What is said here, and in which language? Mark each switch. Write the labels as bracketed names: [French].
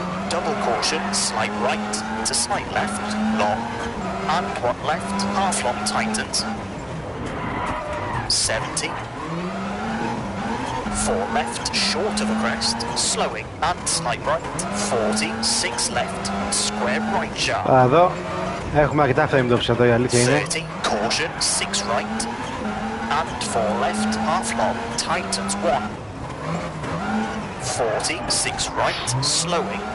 [English] double caution, slight right, into slight left, long, and 1 left, half long, tightens, 70, 4 left, short of a crest, slowing, and slight right, 40, 6 left, square right, sharp, [Greek] εδώ, έχουμε αρκετά φρέμιντοψη εδώ, η αλήθεια είναι. [English] 30, caution, 6 right, and 4 left, half long, tightens, 1, 40, 6 right, slowing,